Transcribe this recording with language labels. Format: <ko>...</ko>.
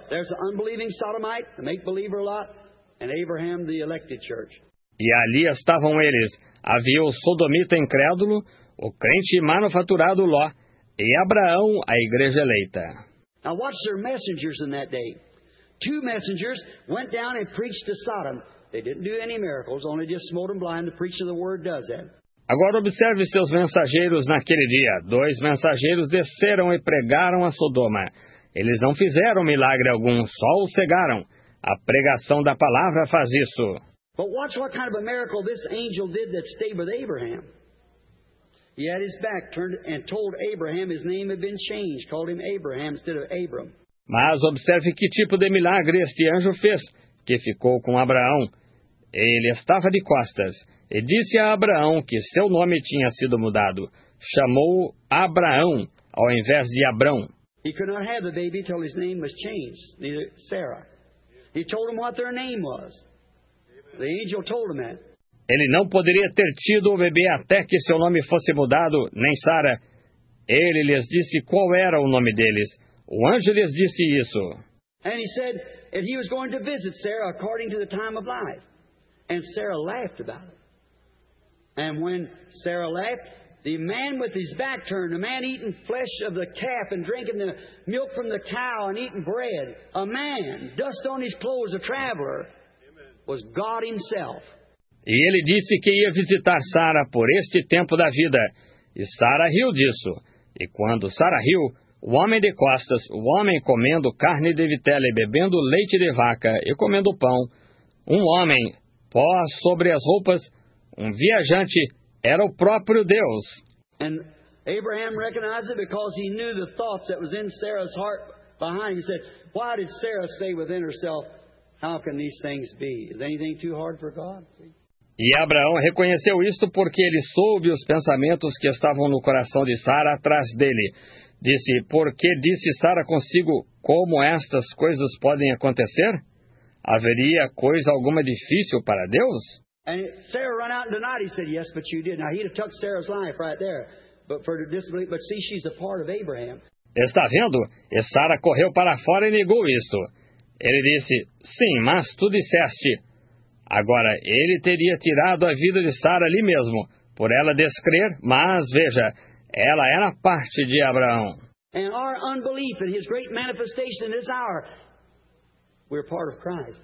<en>There's an unbelieving Sodomite, the make-believer lot, and Abraham, the elected church.</en> <pt>E ali estavam eles. Havia o sodomita incrédulo, o crente manufaturado Ló, e Abraão, a igreja eleita.</pt> <en>Now watch their messengers in that day. Two messengers went down and preached to Sodom. They didn't do any miracles, only just smote them blind. The preacher of the word does that.</en> <pt>Agora observe seus mensageiros naquele dia. Dois mensageiros desceram e pregaram a Sodoma. Eles não fizeram milagre algum, só o cegaram. A pregação da palavra faz isso.</pt> <en>But watch what kind of a miracle this angel did that stayed with Abraham. He had his back turned and told Abraham his name had been changed, called him Abraham instead of Abram.</en> <pt>Mas observe que tipo de milagre este anjo fez, que ficou com Abraão. Ele estava de costas e disse a Abraão que seu nome tinha sido mudado. Chamou-o Abraão ao invés de Abrão.</pt> <en>He could not have the baby till his name was changed, neither Sarah. He told him what their name was. The angel told him that.</en> <pt>Ele não poderia ter tido o bebê até que seu nome fosse mudado, nem Sara. Ele lhes disse qual era o nome deles. O anjo lhes disse isso.</pt> <en>And he said that he was going to visit Sarah according to the time of life. And Sarah laughed about it. And when Sarah laughed, the man with his back turned, a man eating flesh of the calf and drinking the milk from the cow and eating bread, a man, dust on his clothes, a traveler, was God himself.</en> <pt>E ele disse que ia visitar Sara por este tempo da vida. E Sara riu disso. E quando Sara riu, o homem de costas, o homem comendo carne de vitela e bebendo leite de vaca e comendo pão, um homem, pó sobre as roupas, um viajante, era o próprio Deus.</pt> <en>And Abraham recognized it because he knew the thoughts that was in Sarah's heart behind. He said, why did Sarah say within herself, how can these things be? Is anything too hard for God?</en> <pt>E Abraão reconheceu isto porque ele soube os pensamentos que estavam no coração de Sara atrás dele. Disse, por que disse Sara consigo como estas coisas podem acontecer? Haveria coisa alguma difícil para Deus?</pt> <en>And Sarah ran out and denied. He said, yes, but you did. Now he'd have took Sarah's life right there. But for disbelief, but see, she's a part of Abraham.</en> <pt>Está vendo? E Sara correu para fora e negou isto. Ele disse, sim, mas tu disseste. Agora, ele teria tirado a vida de Sara ali mesmo, por ela descrer, mas veja, ela era parte de Abraão.</pt> <en>And our unbelief in his great manifestation in this hour, we're part of Christ.</en>